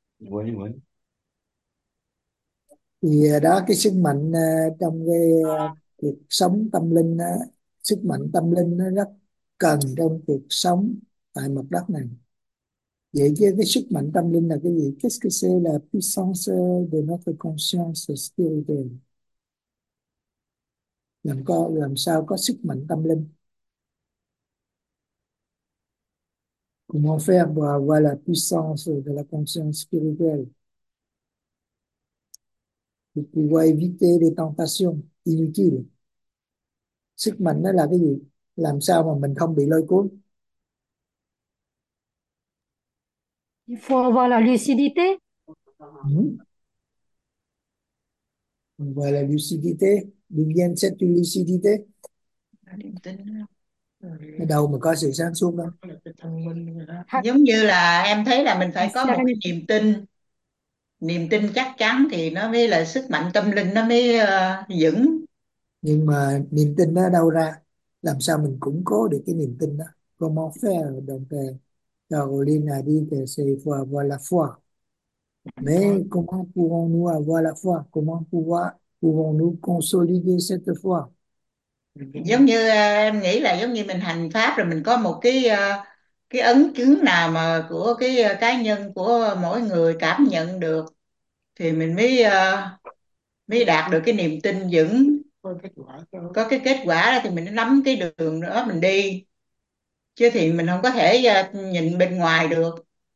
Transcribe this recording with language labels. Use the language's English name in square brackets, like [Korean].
[Vietnamese] Quên Thì đó cái sức mạnh trong cái cuộc sống tâm linh đó, sức mạnh tâm linh nó rất cần trong cuộc sống tại mặt đất này. Vậy chứ cái sức mạnh tâm linh là cái gì? [French] Qu'est-ce que c'est la puissance de notre conscience spirituelle? [Vietnamese] Làm sao có sức mạnh tâm linh? [French] Comment faire pour avoir la puissance de la conscience spirituelle? Pour pouvoir éviter les tentations inutiles. [Vietnamese] Sức mạnh nó là cái gì? Làm sao mà mình không bị lôi cuốn? [French] Il faut avoir la lucidité. Voilà, lucidité. D'où vient cette lucidité? [Vietnamese] Ở đâu mà có sự sáng suốt đâu? Giống như là em thấy là mình phải có một [English] Serenity. [Vietnamese] cái niềm tin chắc chắn thì nó mới là sức mạnh tâm linh nó mới vững. Nhưng mà niềm tin nó đâu ra? Làm sao mình củng cố được cái niềm tin đó? [French] Comment faire donc [Vietnamese] Caroline liên à đi thì [French] c'est avoir la foi. Mais comment pouvons-nous avoir la foi? Comment pouvons-nous consolider cette foi? [Vietnamese] Giống như em nghĩ là giống như mình hành pháp rồi mình có một cái ấn chứng nào mà của cái cá nhân của mỗi người cảm nhận được thì mình mới mới đạt được cái niềm tin vững, có cái kết quả đó thì mình nắm cái đường đó mình đi, chứ thì mình không có thể nhìn bên ngoài được.